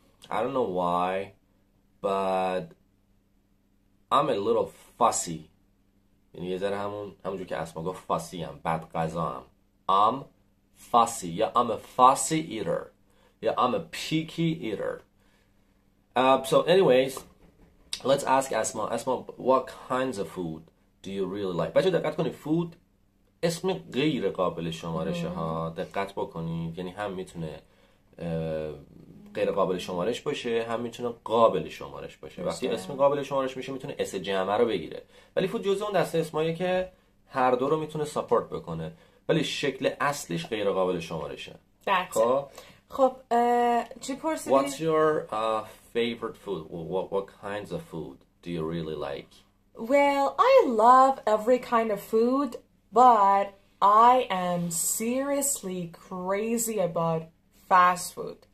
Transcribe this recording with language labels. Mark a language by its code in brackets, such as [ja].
[en] I don't know why, but I'm a little fussy. [fa] یعنی یه ذره همونجور که اسما گفت fussy هم، بد غذا هم. [en] I'm fussy. [fa] یا [en] I'm a fussy eater. یا I'm a picky eater. So anyways, let's ask Asma. Asma, what kinds of food do you really like? [fa] بچه دقت کنی، food اسم غیر قابل شمارشه ها، دقت بکنید. یعنی هم میتونه غیر قابل شمارش باشه هم میتونه قابل شمارش باشه. وقتی اسم قابل شمارش میشه میتونه اس جمعه رو بگیره، ولی فود جزء اون دسته اسمایی که هر دو رو میتونه ساپورت بکنه ولی شکل اصلیش غیر قابل شمارشه. خب چی پرسیدی؟ [en] What's your favorite food? What kinds of food do you really like? Well, I love every kind of food, but I am seriously crazy about fast food.